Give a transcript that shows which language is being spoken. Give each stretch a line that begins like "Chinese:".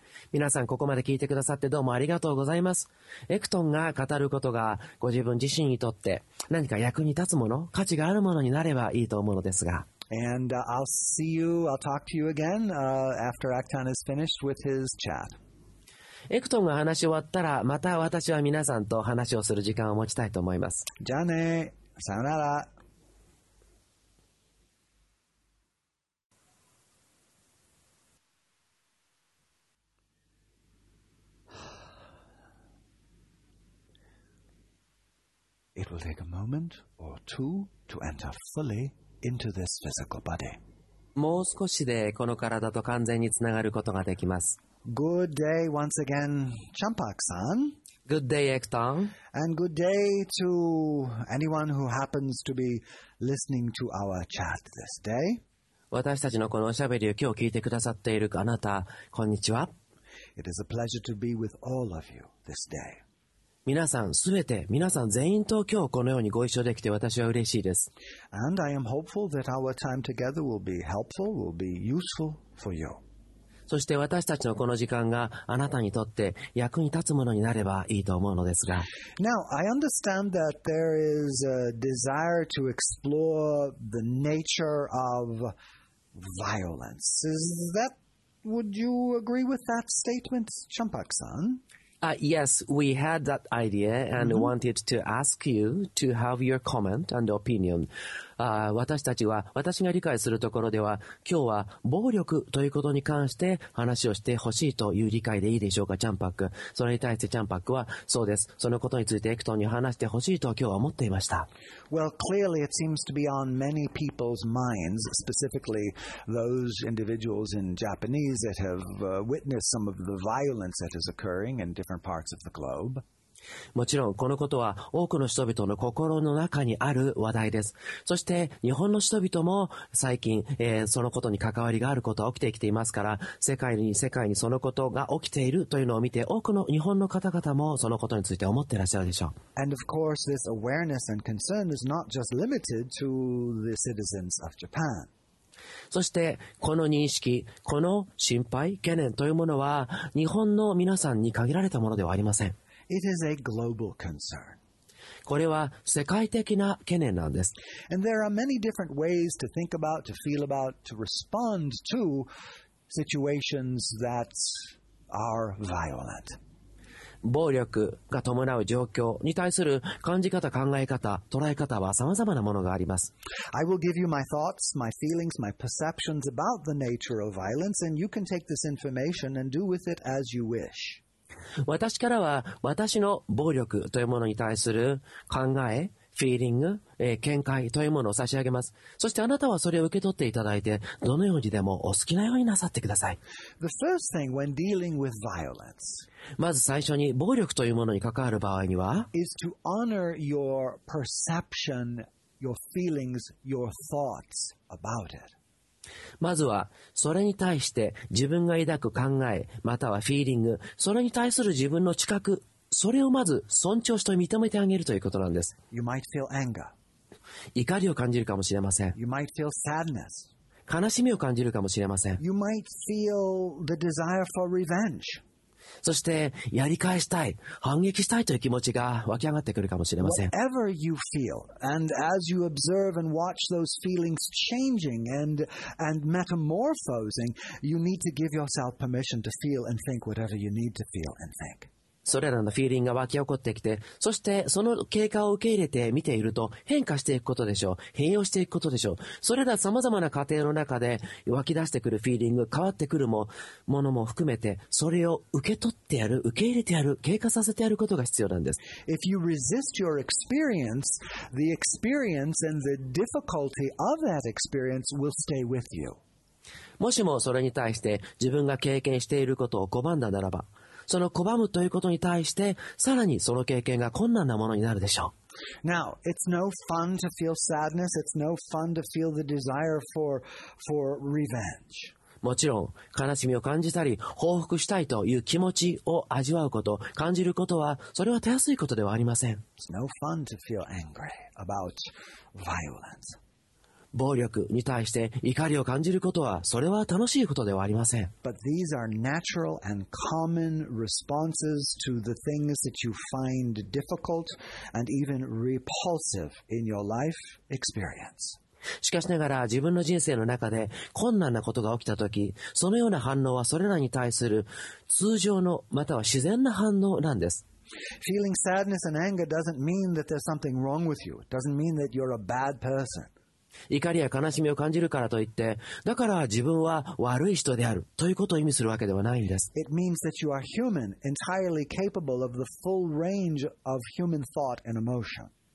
Japanese: 皆さん、ここまで聞いてくださってどうもありがとうございます。エクトンが語ることがご自分自身にとって何か役に立つもの、価値があるものになればいいと思うのですが。
English: And I'll see you, I'll talk to you again, after Acton is finished with his chat.
Japanese: エクトンが話し終わったら、また私は皆さんと話をする時間を持ちたいと思います。じゃあね、さよなら。
English: It will take a moment or two to enter fully into this physical body.
Japanese: もう少しでこの体と完全につながることができます。
English: Good day once again, Champak-san. Good day, Acton. And good day to anyone who happens to be listening to our chat this day.
Japanese: 私たちのこのおしゃべりを今日聞いてくださっているあなた、こんにちは。
English: It is a pleasure to be with all of you this day.
Japanese: 皆さん、すべて、皆さん全員と今日このようにご一緒できて私は嬉しいです。
English: And I am hopeful that our time together will be helpful, will be useful for you.
Japanese: そして私たちのこの時間があなたにとって役に立つものになればいいと思うのですが。
English: Now, I understand that there is a desire to explore the nature of violence. Is that, would you agree with that statement, Champak-san? Yes, we had that idea and、mm-hmm. wanted to ask you to have your comment and opinion.、
Japanese: 私たちは、私が理解するところでは、今日は暴力ということに関して話をしてほしいという理解でいいでしょうか、チャンパック。それに対してチャンパックは、そうです。そのことについてエクトンに話してほしいと今日は思っていました。
English: Well, clearly it seems to be on many people's minds, specifically those individuals in Japanese that have witnessed some of the violence that is occurring in different parts of the globe.
Japanese: もちろんこのことは多くの人々の心の中にある話題です。そして日本の人々も最近、そのことに関わりがあることは起きてきていますから、世界にそのことが起きているというのを見て、多くの日本の方々もそのことについて思っていらっしゃるでしょう。
English: And of course this awareness and concern is not just limited to the citizens of Japan.
Japanese: そしてこの認識、この心配、懸念というものは日本の皆さんに限られたものではありません。
English: It is a global concern.
Japanese: これは世界的な懸念なんです。
English: And there are many different ways to think about, to feel about, to respond to situations that are violent.
Japanese: 暴力が伴う状況に対する感じ方、考え方、捉え方は様々なものがあります。
English: I will give you my thoughts, my feelings, my perceptions about the nature of violence, and you can take this information and do with it as you wish.
Japanese: 私からは私の暴力というものに対する考え、フィーリング、見解というものを差し上げます。そしてあなたはそれを受け取っていただいて、どのようにでもお好きなようになさってください。
English: The first thing when dealing with violence、
Japanese: まず最初に暴力というものに関わる場合には
English: is to honor your perception, your feelings, your thoughts about it.
Japanese: まずはそれに対して自分が抱く考え、またはフィーリング、それに対する自分の知覚、それをまず尊重して認めてあげるということなんです。
English: You might feel anger.
Japanese: 怒りを感じるかもしれません。
English: You might feel sadness.
Japanese: 悲しみを感じるかもしれません。
English: You might feel the desire for revenge.
Japanese: そしてやり返したい、反撃したいという気持ちが湧き上がってくるかもしれません。
English: Whatever you feel, and as you observe and watch those feelings changing and metamorphosing, you need to give yourself permission to feel and think whatever you need to feel and think.
Japanese: それらのフィーリングが湧き起こってきて、そしてその経過を受け入れて見ていると変化していくことでしょう、変容していくことでしょう。それら様々な過程の中で湧き出してくるフィーリング、変わってくるものも含めて、それを受け取ってやる、受け入れてやる、経過させてやることが必要なんです。
English: If you resist your experience, the experience and the difficulty of that experience will stay with you.
Japanese: もしもそれに対して自分が経験していることを拒んだならば、その拒むということに対してさらにその経験が困難なものになるでしょう。
English: Now, it's no fun to feel sadness. It's no fun to feel the desire for revenge.
Japanese: もちろん悲しみを感じたり報復したいという気持ちを味わうこと、感じることは、それはたやすいことではありません。
English: It's no fun to feel angry about violence.
Japanese: 暴力に対して怒りを感じることは、それは楽しいことではありません。
English: But these are natural and common responses to the things that you find difficult and even repulsive in your life experience.
Japanese: しかしながら、自分の人生の中で困難なことが起きたとき、そのような反応はそれらに対する通常の、または自然な反応なんです。
English: Feeling sadness and anger doesn't mean that there's something wrong with you. It doesn't mean that you're a bad person.
Japanese: 怒りや悲しみを感じるからといって、だから自分は悪い人であるということを意味するわけではないんです。
English: It means that you are human, entirely capable of the full range of human thought and emotion.